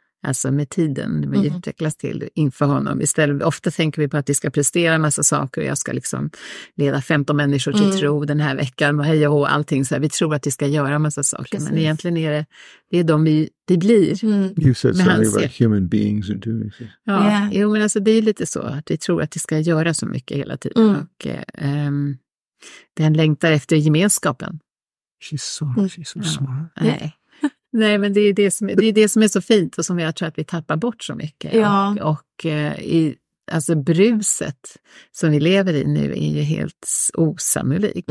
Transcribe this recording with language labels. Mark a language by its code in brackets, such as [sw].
[sv] Alltså med tiden, vi utvecklas till inför honom. Istället, ofta tänker vi på att vi ska prestera en massa saker och jag ska liksom leda 15 människor till tro den här veckan och hej och allting. Så här, vi tror att vi ska göra en massa saker. Precis. Men egentligen är det är de vi blir. Mm. [en] You said something about human beings and doing this. Ja, yeah. [sv] Jo, men alltså, det är lite så att vi tror att vi ska göra så mycket hela tiden. Mm. Och den längtar efter gemenskapen. [en] She's so smart. Yeah. Nej. [sv] Nej, men det är det som är så fint och som jag tror att vi tappar bort så mycket. Ja. Och i, alltså bruset som vi lever i nu är ju helt osannolikt.